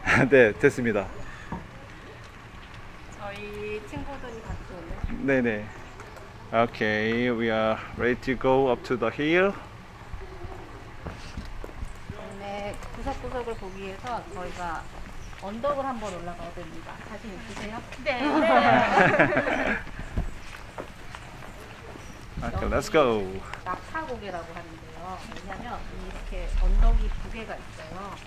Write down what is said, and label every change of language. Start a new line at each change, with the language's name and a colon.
Korean: 네, 됐습니다. 저희 친구들이 같이 오네. 네네.
English: Okay, we are ready to go up to the hill.
Korean: 네, 구석구석을 보기 위해서 저희가 언덕을 한번 올라가야 됩니다. 자신 있으세요? 네. 네.
English: Okay, let's go.
Korean: 낙타고개라고 하는데요. 왜냐면 이렇게 언덕이 두 개가 있어요.